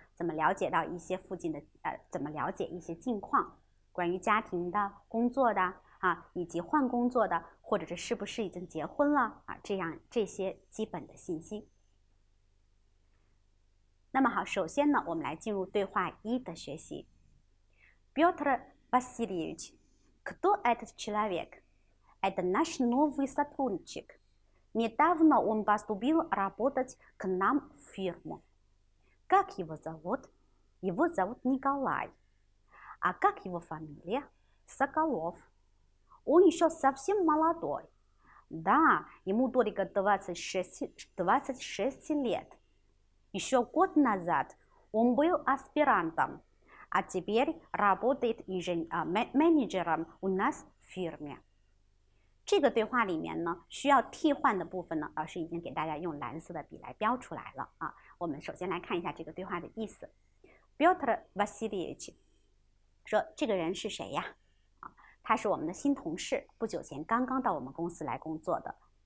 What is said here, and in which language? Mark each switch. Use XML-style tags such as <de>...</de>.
<zh>怎么了解到一些附近的怎么了解一些近况？关于家庭的、工作的啊，以及换工作的，或者这是不是已经结婚了啊？这样这些基本的信息。那么好，首先呢，我们来进入对话一的学习。</zh> <ru>Петр Васильевич, кто этот человек? Это наш новый сотрудник. Недавно он поступил работать к нам в фирму. Как его зовут? Его зовут Николай. А как его фамилия? Соколов. Он еще совсем молодой. Да, ему только 26 лет. Еще год назад он был аспирантом, а теперь работает менеджером у нас в фирме.</ru> <zh>这个对话里面呢，需要替换的部分呢，老师已经给大家用蓝色的笔来标出来了啊。我们首先来看一下这个对话的意思。Piotr Vasilievich 说这个人是谁呀？他是我们的新同事，不久前刚刚到我们公司来工作的。</zh>